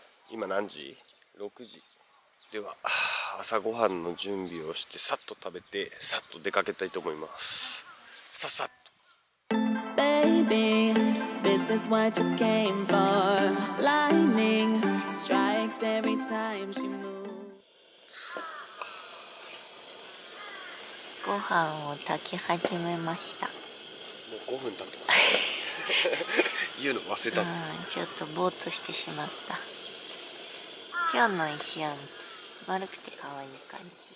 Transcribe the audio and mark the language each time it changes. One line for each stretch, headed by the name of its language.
Japanese: 今何時？6時。では朝ごはんの準備をしてさっと食べてさっと出かけたいと思います。さっさっと。
English: Baby, this is what you came for. Lightning strikes every time she moves.
Japanese: ご飯を炊き始めました。もう5分経ってます。言うの忘れた。ちょっとぼーっとしてしまった。今日の石は丸くて可愛い感じ。